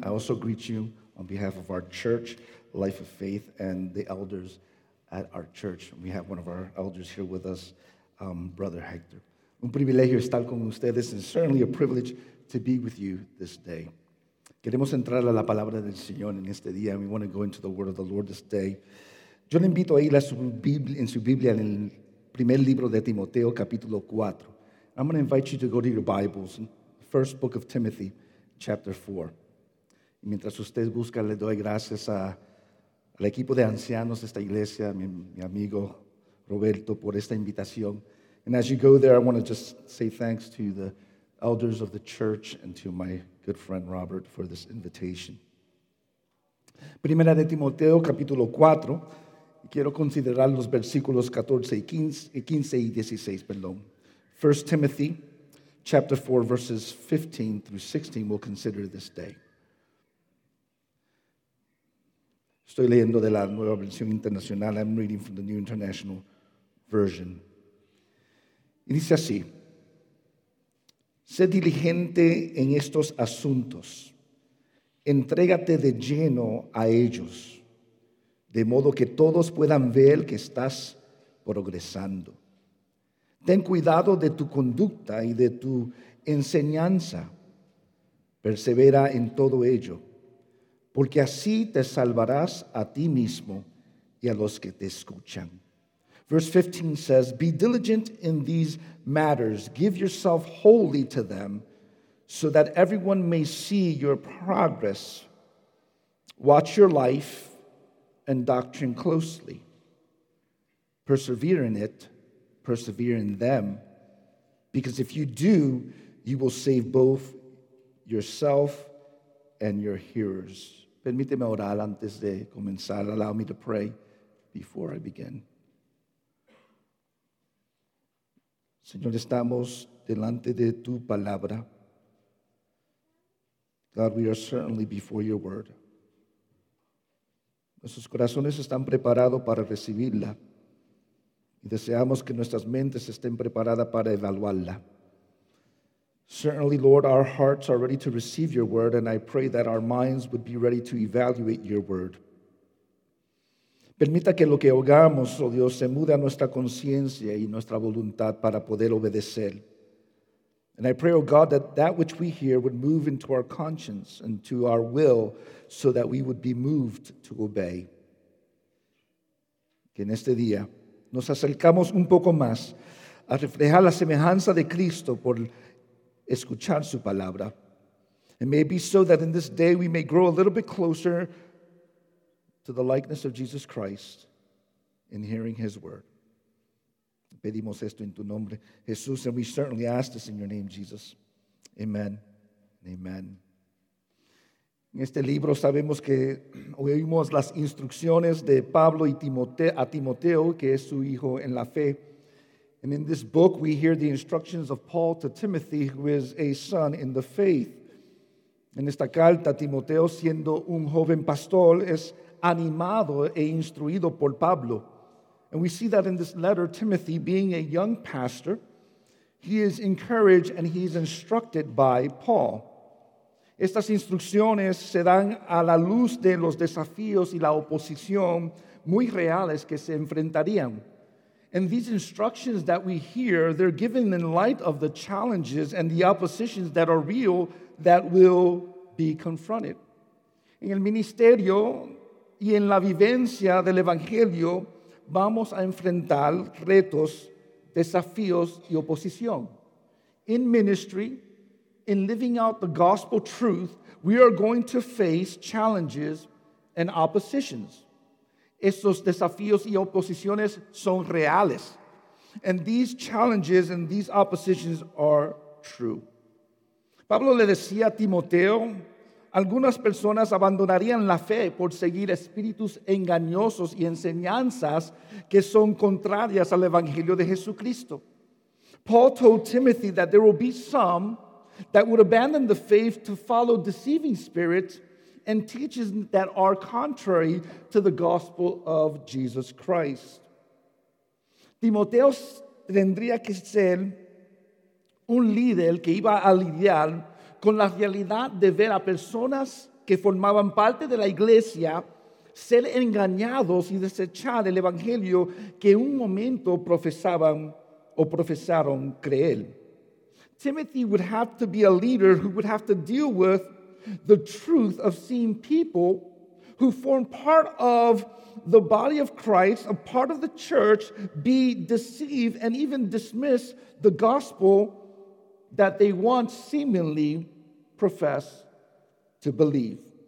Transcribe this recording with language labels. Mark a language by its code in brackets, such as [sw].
[en] I also greet you on behalf of our church, Life of Faith, and the elders at our church. We have one of our elders here with us, Brother Héctor. [es] Un privilegio estar con ustedes, [en] and certainly a privilege to be with you this day. [es] Queremos entrar a la palabra del Señor en este día. [en] We want to go into the word of the Lord this day. [es] Yo le invito a ir a su Biblia, en su Biblia, en el primer libro de Timoteo, capítulo 4. [en] I'm going to invite you to go to your Bibles, first book of Timothy, chapter 4. [es] Y mientras usted busca, le doy gracias al equipo de ancianos de esta iglesia, mi amigo Roberto, por esta invitación. [en] And as you go there, I want to just say thanks to the elders of the church and to my good friend Robert for this invitation. [es] Primera de Timoteo, capítulo 4. Quiero considerar los versículos 14 y 15, 15 y 16, perdón. [en] 1 Timothy, chapter 4, verses 15 through 16, we'll consider this day. [es] Estoy leyendo de la Nueva Versión Internacional. [en] I'm reading from the New International Version. [es] Y dice así. Sé diligente en estos asuntos. Entrégate de lleno a ellos, de modo que todos puedan ver que estás progresando. Ten cuidado de tu conducta y de tu enseñanza. Persevera en todo ello, porque así te salvarás a ti mismo y a los que te escuchan. [en] Verse 15 says, be diligent in these matters. Give yourself wholly to them so that everyone may see your progress. Watch your life and doctrine closely. Persevere in it. Persevere in them, because if you do, you will save both yourself and your hearers. [es] Permíteme orar antes de comenzar. [en] Allow me to pray before I begin. [es] Señor, estamos delante de tu palabra. [en] God, we are certainly before your word. [es] Nuestros corazones están preparados para recibirla. Y deseamos que nuestras mentes estén preparadas para evaluarla. [en] Certainly, Lord, our hearts are ready to receive your word, and I pray that our minds would be ready to evaluate your word. [es] Permita que lo que oigamos, oh Dios, se mude a nuestra conciencia y nuestra voluntad para poder obedecer. [en] And I pray, oh God, that that which we hear would move into our conscience and to our will so that we would be moved to obey. [es] Que en este día nos acercamos un poco más a reflejar la semejanza de Cristo por escuchar su palabra. [en] It may be so that in this day we may grow a little bit closer to the likeness of Jesus Christ in hearing his word. [es] Pedimos esto en tu nombre, Jesús, [en] and we certainly ask this in your name, Jesus. Amen. Amen. [es] En este libro sabemos que oímos las instrucciones de Pablo y a Timoteo, que es su hijo en la fe. [en] And in this book, we hear the instructions of Paul to Timothy, who is a son in the faith. [es] En esta carta, Timoteo, siendo un joven pastor, es animado e instruido por Pablo. [en] And we see that in this letter, Timothy, being a young pastor, he is encouraged and he is instructed by Paul. [es] Estas instrucciones se dan a la luz de los desafíos y la oposición muy reales que se enfrentarían. [en] And these instructions that we hear, they're given in light of the challenges and the oppositions that are real that will be confronted. [es] En el ministerio y en la vivencia del evangelio, vamos a enfrentar retos, desafíos y oposición. [en] In ministry, in living out the gospel truth, we are going to face challenges and oppositions. [es] Estos desafíos y oposiciones son reales. [en] And these challenges and these oppositions are true. [es] Pablo le decía a Timoteo, algunas personas abandonarían la fe por seguir espíritus engañosos y enseñanzas que son contrarias al Evangelio de Jesucristo. [en] Paul told Timothy that there will be some that would abandon the faith to follow deceiving spirits and teachings that are contrary to the gospel of Jesus Christ. [es] Timoteo tendría que ser un líder que iba a lidiar con la realidad de ver a personas que formaban parte de la iglesia ser engañados y desechar el evangelio que en un momento profesaban o profesaron creer. [en] Timothy would have to be a leader who would have to deal with the truth of seeing people who form part of the body of Christ, a part of the church, be deceived and even dismiss the gospel that they once seemingly profess to believe.